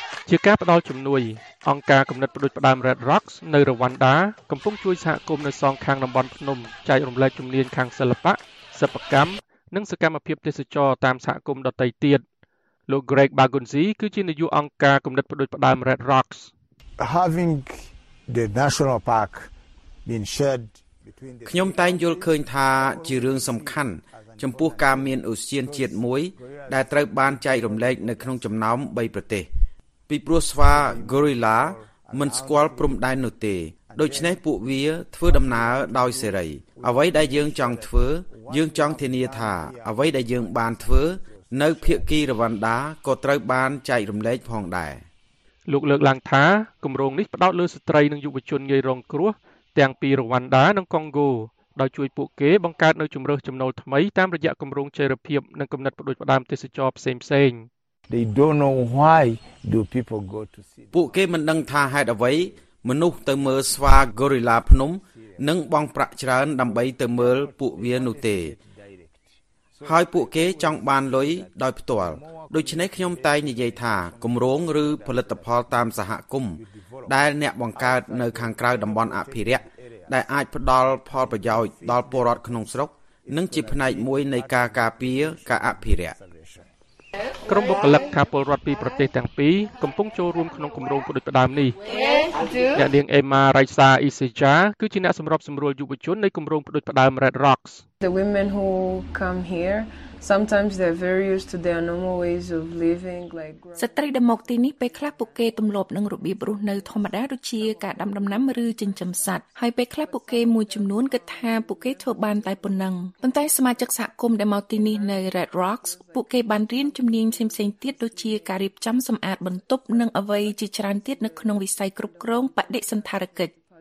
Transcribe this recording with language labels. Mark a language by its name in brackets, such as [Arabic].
[Khmer] ជាការផ្ដល់ជំនួយអង្គការគំនិតប្ដូចផ្ដើម Red Rocks នៅរវ៉ាន់ដាកំពុងជួយសហគមន៍នៅសងខាងតំបន់ភ្នំចែករំលែកជំនាញខាងសិល្បៈសិប្បកម្មនិងសកម្មភាពទេសចរតាមសហគមន៍ដទៃទៀតលោក Greg Bagunzi គឺជានាយកអង្គការគំនិតប្ដូចផ្ដើម Red Rocks [English] Having the national park been shared [Khmer] ខ្ញុំតែងយល់ឃើញថាជារឿងសំខាន់ចំពោះការមានឧស្សាហជាតិមួយដែលត្រូវបានចែករំលែកនៅក្នុងចំណោម3ប្រទេសពីព្រោះស្វាហ្គូរីឡាមិនស្គាល់ព្រំដែននោះទេដូច្នេះពួកវាធ្វើដំណើរដោយសេរីអ្វីដែលយើងចង់ធ្វើយើងចង់ធានាថាអ្វីដែលយើងបានធ្វើនៅភៀកគីរវ៉ាន់ដាក៏ត្រូវបានចែករំលែកផងដែរ លោកលើកឡើងថាគម្រោងនេះផ្តោតលើស្ត្រីនិងយុវជនងាយរងគ្រោះទាំងពីរវ៉ាន់ដានិងកុងហ្គោដោយជួយពួកគេបង្កើតនូវជំរើសចំណូលថ្មីតាមរយៈគម្រោងចីរភាពនិងគំនិតបដិសេធទេសចរផ្សេង [English] ៗ They don't know why do people go to see [Khmer] ពួកគេមិនដឹងថាហេតុអ្វីមនុស្សទៅមើលស្វាហ្គូរីឡាភ្នំនិងបងប្រាក់ច្រើនដើម្បីទៅមើលពួកវានោះទេហើយពួកគេចង់បានលុយដោយផ្ទាល់ដូច្នេះខ្ញុំតែងនិយាយថាគម្រោងឬផលិតផលតាមសហគមន៍ដែលអ្នកបង្កើតនៅខាងក្រៅតំបន់អភិរក្សដែលអាចផ្ដល់ផលប្រយោជន៍ដល់ពលរដ្ឋក្នុងស្រុកនិងជាផ្នែកមួយនៃការការពារការអភិរក្ស ក្រុមបុគ្គលិកថាពលរដ្ឋពីប្រទេសទាំងពីរកំពុងចូលរួមក្នុងគម្រោងបដិបត្តិដើមនេះអ្នកនាងអេម៉ារៃសាអ៊ីសេចាគឺជាអ្នកសម្របសម្រួលយុវជននៃគម្រោងបដិបត្តិដើម Red Rocks [English] The women who come hereSometimes they're very used to their normal ways of living like [Khmer] ស្ត្រីដែលមកទីនេះពេលខ្លះពួកគេទម្លាប់នឹងរបៀបរស់នៅធម្មតាដូចជាការដាំដំណាំឬចិញ្ចឹមសត្វហើយពេលខ្លះពួកគេមួយចំនួនគិតថាពួកគេធ្វើបានតែប៉ុណ្ណឹងប៉ុន្តែសមាជិកសហគមន៍ដែលមកទីនេះនៅ Red Rocks ពួកគេបានរៀនជំនាញផ្សេងៗទៀតដូចជាការរៀបចំសម្អាតបន្ទប់និងអ្វីជាច្រើនទៀតនៅក្នុងវិស័យគ្រប់គ្រងបដិសណ្ឋារកិច្ច